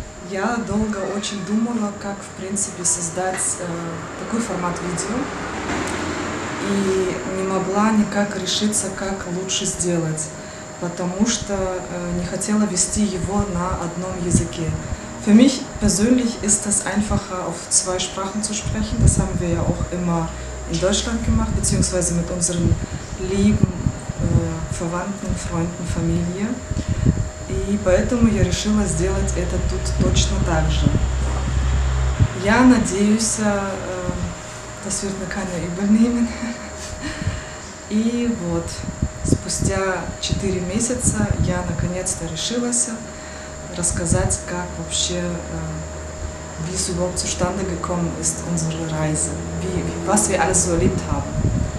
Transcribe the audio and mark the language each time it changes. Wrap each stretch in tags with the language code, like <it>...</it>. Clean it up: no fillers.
<ru>Я долго очень думала, как, в принципе, создать такой формат видео, и не могла никак решиться, как лучше сделать, потому что не хотела вести его на одном языке.</ru> <de>Für mich persönlich ist es einfacher, auf zwei Sprachen zu sprechen. Das haben wir ja auch immer in Deutschland gemacht, beziehungsweise mit unseren lieben Verwandten, Freunden, Familie.</de> <ru>И поэтому я решила сделать это тут точно так же. Я надеюсь,</ru> <de>das wird mir keiner übel nehmen.</de> <ru>И вот, спустя 4 месяца я наконец-то решилась рассказать, как вообще,</ru> <de>wie es überhaupt zustande gekommen ist, unsere Reise, was wir alles so erlebt haben.</de>